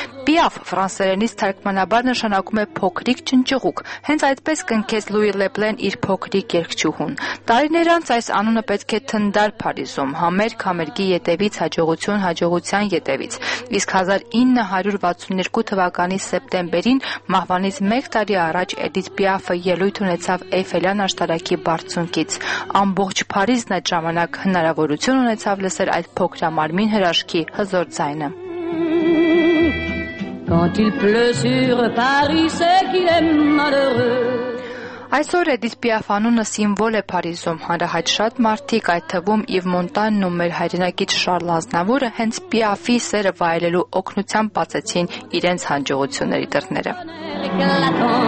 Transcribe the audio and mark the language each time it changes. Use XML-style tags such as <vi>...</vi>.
<hy>Պիաֆ ֆրանսերենից թարգմանաբար նշանակում է փոքրիկ ճնճղուկ, հենց այդպես կնքեց Լուի Լեպլեն իր փոքրիկ երգչուհուն։ Տարիներ անց այս անունը պետք է թնդար Փարիզում, համերգ համերգի ետևից հաջողություն հաջողության ետևից, իսկ 1962 թվականի սեպտեմբերին, մահվանից 1 տարի առաջ, Էդիթ Պիաֆը ելույթ ունեցավ Էյֆելյան աշտարակի բարձունքից։ Ամբողջ Փարիզն այդ ժամանակ հնարավորություն ունեցավ լսել այդ փոքրամարմին հրաշքի հզոր ձայնը։</hy> <fr>Quand il pleut sur Paris, c'est qu'il est malheureux.</fr> <hy>Այսօր Էդիթ Պիաֆանունը սիմվոլ է Փարիզում, հանրահայտ շատ մարդիկ, այդ թվում Իվ Մոնտանն ու մեր հայրենակից Շարլ Ազնավուրը հենց Պիաֆի սերը վայելելու օգնությամբ բացեցին իրենց հանջողությունների դռները։</hy>